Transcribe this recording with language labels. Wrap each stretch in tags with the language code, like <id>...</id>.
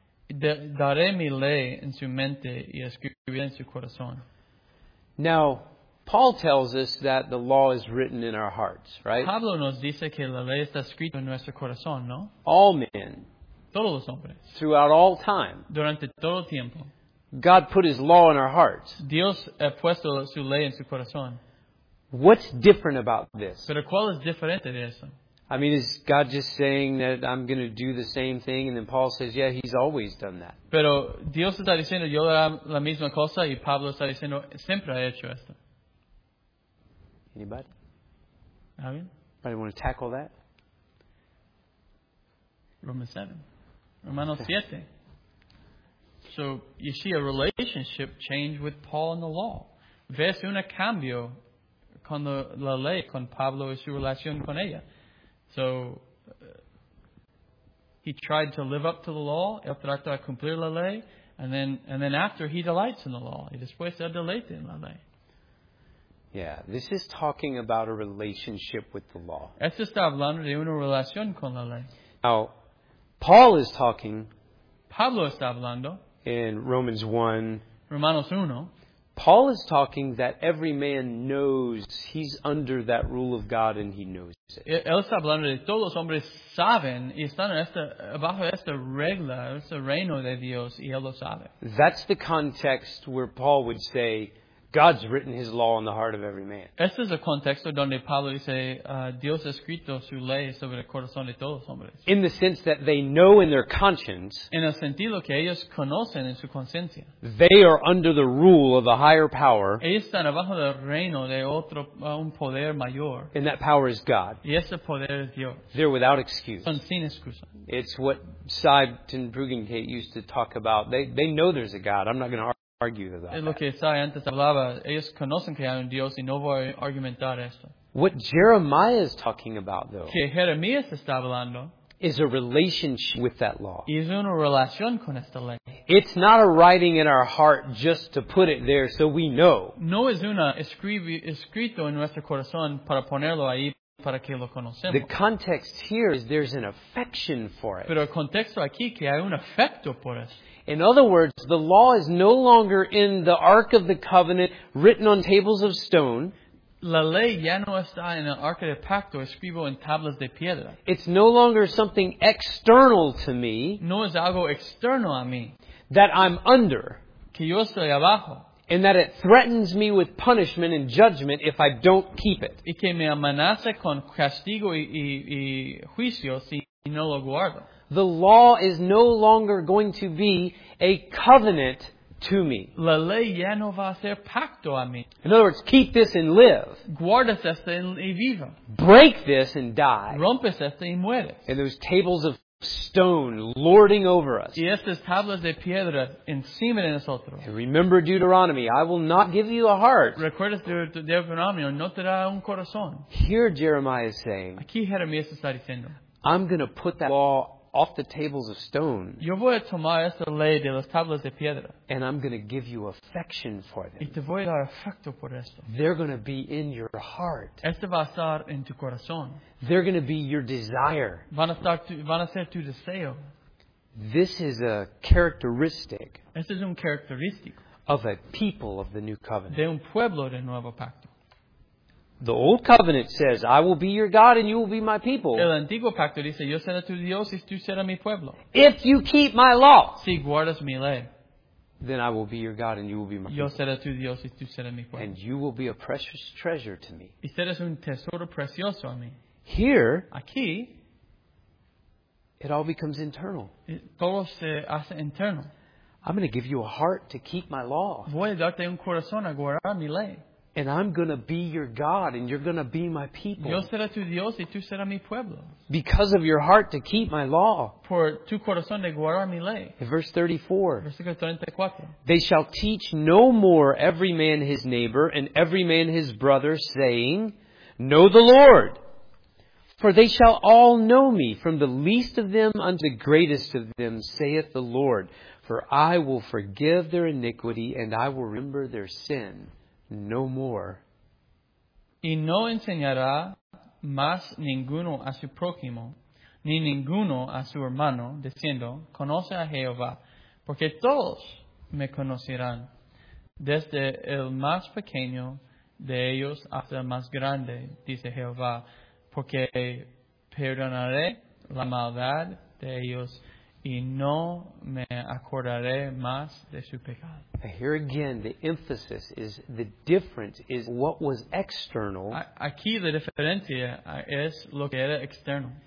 <es>Daré mi ley en su mente y escribiré en su corazón.</es> <en>Now, Paul tells us that the law is written in our hearts, right?</en> <es>Pablo nos dice que la ley está escrita en nuestro corazón, ¿no?</es> <en>All men.</en> <es>Todos los hombres.</es> <en>Throughout all time.</en> <es>Durante todo tiempo.</es> <en>God put his law in our hearts.</en> <es>Dios ha puesto su ley en su corazón.</es> <en>What's different about this?</en> <es>Pero ¿cuál es diferente de eso?</es> <en>I mean, is God just saying that I'm going to do the same thing? And then Paul says, yeah, he's always done that.</en> <es>Pero Dios está diciendo, yo haré la misma cosa, y Pablo está diciendo, siempre ha hecho esto.</es> <en>Anybody?</en> <es>¿Alguien?</es> <en>Anybody want to tackle that? Romans 7.</en> <es>Romanos 7.</es> <en>So, you see a relationship change with Paul and the law.</en> <es>Ves un cambio con la ley, con Pablo y su relación con ella.</es> <en>So, he tried to live up to the law,</en> <es>él trató de cumplir la ley,</es> <en>and then after, he delights in the law,</en> <es>y después él deleita en la ley.</es> <en>Yeah, this is talking about a relationship with the law.</en> <es>Esto está hablando de una relación con la ley.</es> <en>Now, Paul is talking,</en> <es>Pablo está hablando,</es> <en>in Romans 1,</en> <es>Romanos 1,</es> <en>Paul is talking that every man knows he's under that rule of God and he knows it.</en> <es>Él está hablando de todos los hombres saben y están bajo esta regla, este reino de Dios, y él lo sabe.</es> <en>That's the context where Paul would say, God's written his law in the heart of every man.</en> <es>Este es el contexto donde Pablo dice, Dios ha escrito su ley sobre el corazón de todos los hombres.</es> <en>In the sense that they know in their conscience.</en> <es>En el sentido que ellos conocen en su conciencia.</es> <en>They are under the rule of a higher power.</en> <es>Ellos están bajo el reino de otro, un poder mayor.</es> <en>And that power is God.</en> <es>Y ese poder es Dios.</es> <en>They're without excuse.</en> <es>Son sin excusa.</es> <en>It's what Sybton Brueggenkate used to talk about. They know there's a God. I'm not going to argue about that.</en> <es>Es lo que Isaías antes hablaba. Ellos conocen que hay un Dios y no voy a argumentar esto.</es> <en>What Jeremiah is talking about, though,</en> <es>que Jeremías está hablando,</es> <en>is a relationship with that law.</en> <es>Es una relación con esta ley.</es> <en>It's not a writing in our heart just to put it there so we know.</en> <es>No es una escrito en nuestro corazón para ponerlo ahí para que lo conocemos.</es> <en>The context here is there's an affection for it.</en> <es>Pero el contexto aquí que hay un afecto por eso.</es> <en>In other words, the law is no longer in the Ark of the Covenant written on tables of stone.</en> <es>La ley ya no está en el arca del pacto, escribo en tablas de piedra.</es> <en>It's no longer something external to me.</en> <es>No es algo externo a mí.</es> <en>That I'm under.</en> <es>Que yo estoy abajo.</es> <en>And that it threatens me with punishment and judgment if I don't keep it.</en> <es>Y que me amenaza con castigo y juicio si no lo guardo.</es> <en>The law is no longer going to be a covenant to me.</en> <es>La ley ya no va a ser pacto a mí.</es> <en>In other words, keep this and live.</en> <es>Guardas esto y vivo.</es> <en>Break this and die.</en> <es>Rompes esto y mueres.</es> <en>And those tables of stone lording over us.</en> <es>Y estas tablas de piedra encima de nosotros.</es> <en>And remember Deuteronomy, I will not give you a heart.</en> <es>Recuerdas Deuteronomy, no te dará un corazón.</es> <en>Here Jeremiah is saying,</en> <es>aquí Jeremías está diciendo,</es> <en>I'm going to put that law off the tables of stone.</en> <es>Yo voy a tomar esta ley de las tablas de piedra.</es> <en>And I'm going to give you affection for them.</en> <es>Y te voy a dar afecto por esto.</es> <en>They're going to be in your heart.</en> <es>Esto va a estar en tu corazón.</es> <en>They're going to be your desire.</en> <es>Van a ser tu deseo.</es> <en>This is a characteristic.</en> <es>Esto es un característico.</es> <en>Of a people of the new covenant.</en> <es>De un pueblo de nuevo pacto.</es> <en>The old covenant says, I will be your God and you will be my people.</en> <es>El antiguo pacto dice, yo seré tu Dios y tú serás mi pueblo.</es> <en>If you keep my law,</en> <es>si guardas mi ley,</es> <en>then I will be your God and you will be my people.</en> <es>Yo seré tu Dios y tú serás mi pueblo.</es> <en>And you will be a precious treasure to me.</en> <es>Y serás un tesoro precioso a mí.</es> <en>Here,</en> <es>aquí,</es> <en>it all becomes internal.</en> <es>Todo se hace interno.</es> <en>I'm going to give you a heart to keep my law.</en> <es>Voy a darte un corazón a guardar mi ley.</es> <en>And I'm going to be your God and you're going to be my people.</en> <es>Yo seré tu Dios y tú serás mi pueblo.</es> <en>Because of your heart to keep my law.</en> <es>Por tu corazón de guardar mi ley.</es> <en>In verse 34.</en> <es>Versículo 34.</es> <en>They shall teach no more every man his neighbor and every man his brother, saying, Know the Lord. For they shall all know me, from the least of them unto the greatest of them, saith the Lord. For I will forgive their iniquity and I will remember their sin. No more.</en> <es>Y no enseñará más ninguno a su prójimo, ni ninguno a su hermano, diciendo, Conoce a Jehová, porque todos me conocerán, desde el más pequeño de ellos hasta el más grande, dice Jehová, porque perdonaré la maldad de ellos y no me acordaré más de su pecado.</es> <en>Here again, the emphasis is the difference is what was external.</en> <es>Aquí la diferencia es lo que era externo.</es>